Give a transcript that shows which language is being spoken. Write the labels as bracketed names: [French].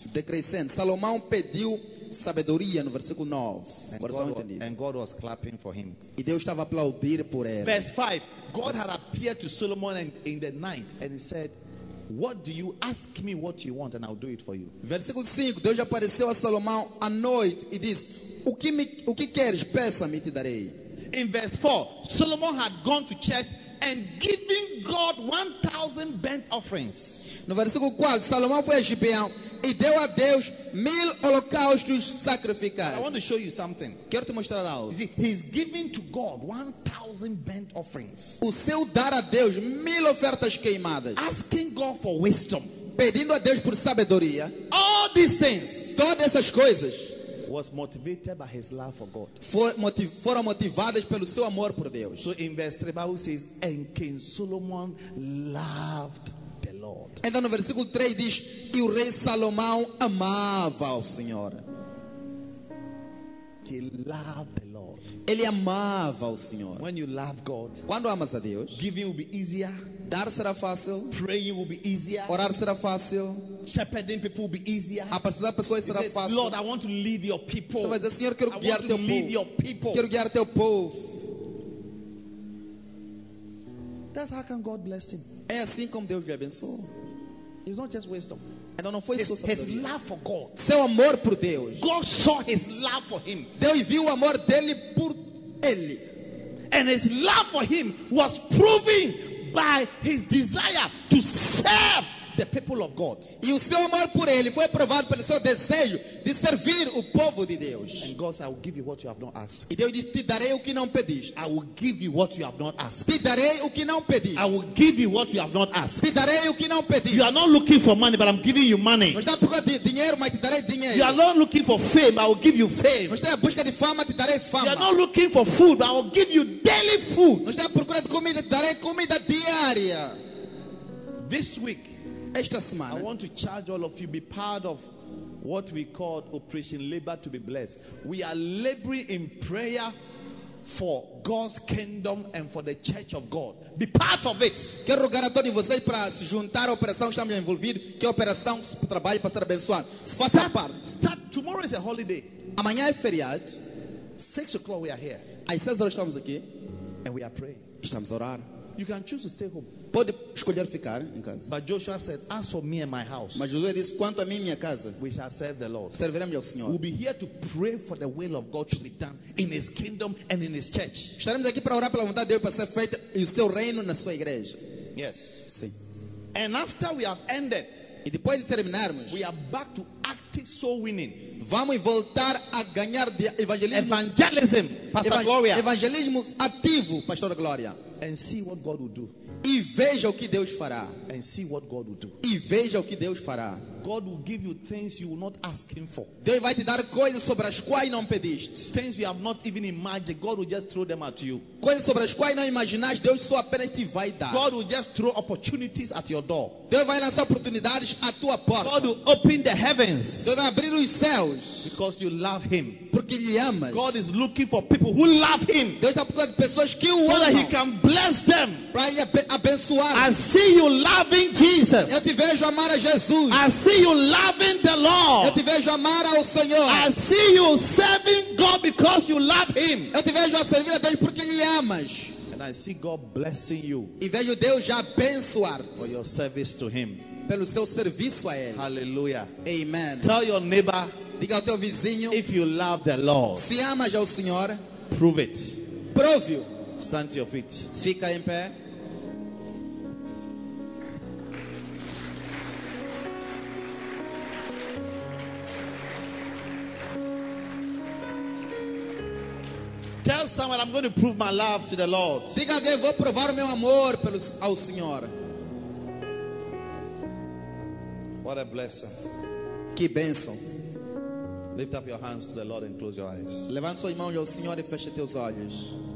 [Portuguese] Decrescendo, Salomão pediu sabedoria no versículo 9. [English] And God was clapping for him. [Portuguese] E Deus estava aplaudindo por ele. [English] Verse 5. God had appeared to Solomon in the night and he said, what do you ask me what you want and I'll do it for you. [Portuguese] Versículo 5. Deus apareceu a Salomão à noite e disse, o que queres, peça-me e te darei. [English] In verse 4. Solomon had gone to church and giving God 1,000 burnt offerings. [Portuguese] No versículo 4, Salomão foi a Gibeão e deu a Deus 1,000 holocaustos sacrificados. [English] I want to show you something. [Portuguese] Quero te mostrar algo. [English] See, he's giving to God 1,000 burnt offerings. [Portuguese] O seu dar a Deus 1,000 ofertas queimadas. [English] Asking God for wisdom. [Portuguese] pedindo a Deus por sabedoria. [English] All these things, [Portuguese] todas essas coisas, [English] was motivated by his love for God. [Portuguese] Foram motivadas pelo seu amor por Deus. [English] So in verse 3, Bible says, and King Solomon loved the Lord. [Portuguese] Então no versículo 3 diz, e o rei Salomão amava o Senhor. [English] He loved the Lord. [Portuguese] Ele amava o Senhor. [English] When you love God, [Portuguese] quando amas a Deus, [English] giving will be easier. [Portuguese] Dar será fácil. [English] Praying will be easier. [Portuguese] Orar será fácil. [English] Shepherding people will be easier. [Portuguese] Apacentar pessoas será fácil. [English] Lord, I want to lead your people. [Portuguese] Você vai dizer, Senhor, quero guiar teu povo. Quero guiar teu povo. [English] That's how can God bless him. [Portuguese] É assim como Deus lhe abençoou. [English] It's not just wisdom. [Portuguese] Então não foi só [English] his love for God. [Portuguese] Seu amor por Deus. [English] God saw his love for him. [Portuguese] Deus viu o amor dele por ele. [English] And his love for him was proven by his desire to serve the people of God. [Portuguese] E o seu amor por ele foi provado pelo seu desejo de servir o povo de Deus. [English] And God said, I will give you what you have not asked. [Portuguese] E Deus disse, te darei o que não pediste. [English] I will give you what you have not asked. [Portuguese] Te darei o que não pediste. [English] I will give you what you have not asked. [Portuguese] Te darei o que não pediste. [English] You are not looking for money, but I'm giving you money. [Portuguese] Não está procurando dinheiro, mas te darei dinheiro. [English] You are not looking for fame, I will give you fame. [Portuguese] Não está à busca de fama, te darei fama. [English] You are not looking for food, but I will give you daily food. [Portuguese] Não está procurando comida, te darei comida diária. [English] This week, [Portuguese] esta semana, [English] I want to charge all of you, be part of what we call Operation Labor to be blessed. We are laboring in prayer for God's kingdom and for the church of God. Be part of it. [Portuguese] Quero rogar a todos vocês para se juntar à operação que estamos envolvidos, que é a operação para trabalho para ser abençoado. Faça parte. [English] Start, tomorrow is a holiday. [Portuguese] Amanhã é feriado. [English] 6 o'clock we are here. [Portuguese] Às 6 horas estamos aqui. [English] And we are praying. [Portuguese] Estamos a orar. [English] You can choose to stay home. [Portuguese] Pode escolher ficar em casa. [English] But Joshua said, as for me and my house, [Portuguese] mas Josué disse, quanto a mim e minha casa, [English] we shall serve the Lord. [Portuguese] Serviremos ao Senhor. [English] We'll be here to pray for the will of God to be done in his kingdom and in his church. [Portuguese] Estaremos aqui para orar pela vontade de Deus para ser feita e o seu reino na sua igreja. [English] Yes. [Portuguese] Sim. [English] And after we have ended, [Portuguese] e depois de terminarmos, [English] we are back to active soul winning. [Portuguese] Vamos voltar a ganhar de evangelismo. [English] Evangelism, Pastor Gloria. [Portuguese] Evangelismo ativo, Pastor Gloria. [English] And see what God will do. [Portuguese] E veja o que Deus fará. [English] And see what God will do. [Portuguese] E veja o que Deus fará. [English] God will give you things you will not ask him for. [Portuguese] Deus vai te dar coisas sobre as quais não pediste. [English] Things you have not even imagined, God will just throw them at you. [Portuguese] Coisas sobre as quais não imaginaste, Deus só apenas te vai dar. [English] God will just throw opportunities at your door. [Portuguese] Deus vai lançar oportunidades à tua porta. [English] God will open the heavens. [Portuguese] Deus vai abrir os céus. [English] Because you love him. [Portuguese] Porque lhe amas. [English] God is looking for people who love him. [Portuguese] Deus está procurando pessoas que o amam. [English] So that he can bless them. [Portuguese] Para ele abençoar. [English] I see you loving Jesus. [Portuguese] Eu te vejo amar a Jesus. [English] I see you loving the Lord. [Portuguese] Eu te vejo amar ao Senhor. [English] I see you serving God because you love him. [Portuguese] Eu te vejo a servir a Deus porque lhe amas. [English] And I see God blessing you. [Portuguese] E vejo Deus já abençoar [English] for your service to him. [Portuguese] Pelo seu serviço a ele. Hallelujah. Amen. [English] Tell your neighbor, [Portuguese] diga ao teu vizinho, [English] if you love the Lord, [Portuguese] se amas ao Senhor, [English] prove it. [Portuguese] Prove-o. [English] Stand to your feet. [Portuguese] Fica em pé. [English] Tell someone, I'm going to prove my love to the Lord. [Portuguese] Diga alguém, vou provar meu amor ao Senhor. [English] What a blessing. [Portuguese] Que bênção. [English] Lift up your hands to the Lord and close your eyes. [Portuguese] Levante suas mãos ao Senhor e feche teus olhos.